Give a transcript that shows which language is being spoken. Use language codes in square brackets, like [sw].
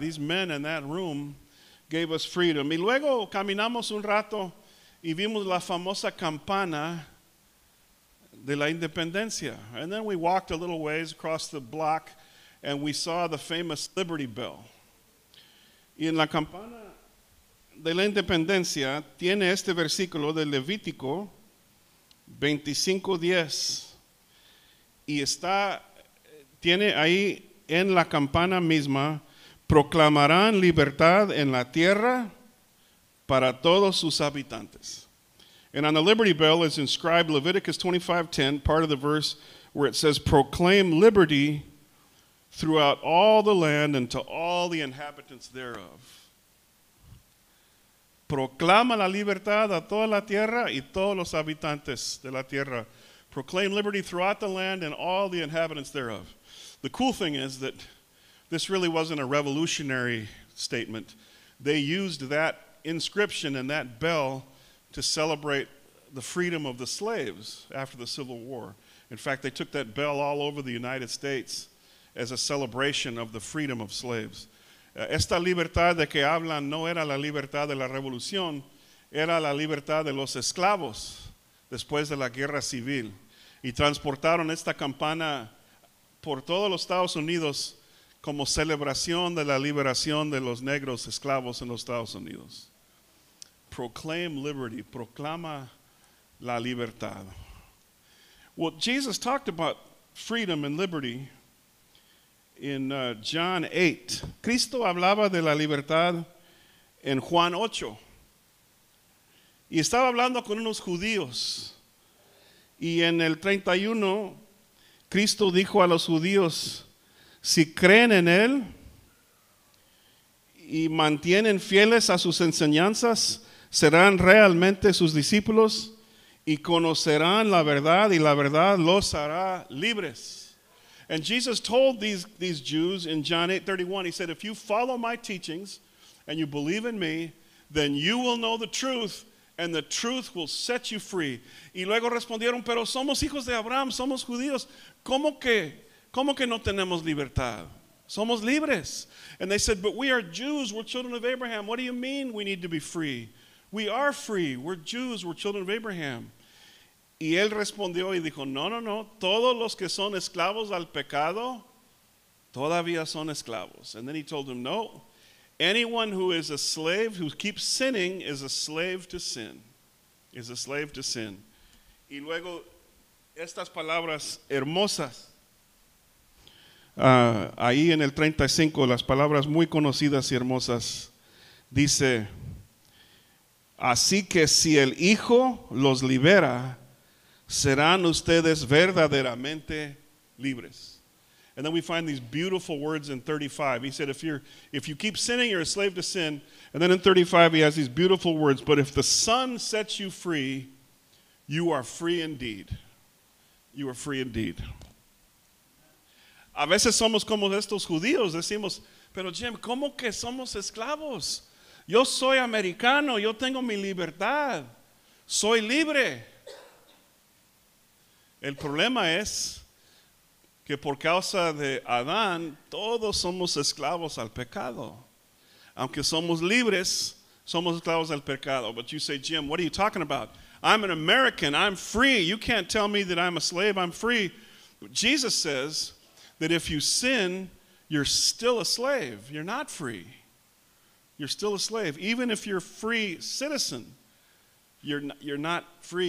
[en] These men in that room gave us freedom. [es] Y luego caminamos un rato y vimos la famosa campana de la Independencia. [en] And then we walked a little ways across the block and we saw the famous Liberty Bell. [es] Y en la campana de la Independencia tiene este versículo de Levítico 25:10. Y está, tiene ahí en la campana misma: proclamarán libertad en la tierra para todos sus habitantes. [en] And on the Liberty Bell is inscribed Leviticus 25:10, part of the verse where it says, proclaim liberty throughout all the land and to all the inhabitants thereof. [es] Proclama la libertad a toda la tierra y todos los habitantes de la tierra. [en] Proclaim liberty throughout the land and all the inhabitants thereof. The cool thing is that this really wasn't a revolutionary statement. They used that inscription and that bell to celebrate the freedom of the slaves after the Civil War. In fact, they took that bell all over the United States as a celebration of the freedom of slaves. [es] Esta libertad de que hablan no era la libertad de la revolución, era la libertad de los esclavos después de la guerra civil. Y transportaron esta campana por todos los Estados Unidos como celebración de la liberación de los negros esclavos en los Estados Unidos. [en] Proclaim liberty, [es] proclama la libertad. [en] Well, Jesus talked about freedom and liberty in John 8. [es] Cristo hablaba de la libertad en Juan 8. Y estaba hablando con unos judíos. Y en el 31, Cristo dijo a los judíos, si creen en Él y mantienen fieles a sus enseñanzas, serán realmente sus discípulos y conocerán la verdad y la verdad los hará libres. [en] And Jesus told these Jews in John 8:31, he said, if you follow my teachings and you believe in me, then you will know the truth and the truth will set you free. [es] Y luego respondieron, pero somos hijos de Abraham, somos judíos. ¿Cómo que no tenemos libertad? Somos libres. [en] And they said, but we are Jews, we're children of Abraham. What do you mean we need to be free? We are free, we're Jews, we're children of Abraham. [es] Y él respondió y dijo, no, todos los que son esclavos al pecado, todavía son esclavos. [en] And then he told him, no, anyone who is a slave, who keeps sinning, is a slave to sin. Is a slave to sin. [es] Y luego, estas palabras hermosas. Ahí en el 35, las palabras muy conocidas y hermosas. Dice, así que si el Hijo los libera, serán ustedes verdaderamente libres. [en] And then we find these beautiful words in 35. He said, if you keep sinning, you're a slave to sin. And then in 35, he has these beautiful words. But if the Son sets you free, you are free indeed. You are free indeed. [es] A veces somos como estos judíos. Decimos, pero Jim, ¿cómo que somos esclavos? Yo soy americano. Yo tengo mi libertad. Soy libre. El problema es que por causa de Adán, todos somos esclavos al pecado. Aunque somos libres, somos esclavos al pecado. [en] But you say, Jim, what are you talking about? I'm an American, I'm free. You can't tell me that I'm a slave, I'm free. Jesus says that if you sin, you're still a slave. You're not free. You're still a slave. Even if you're a free citizen, you're not free.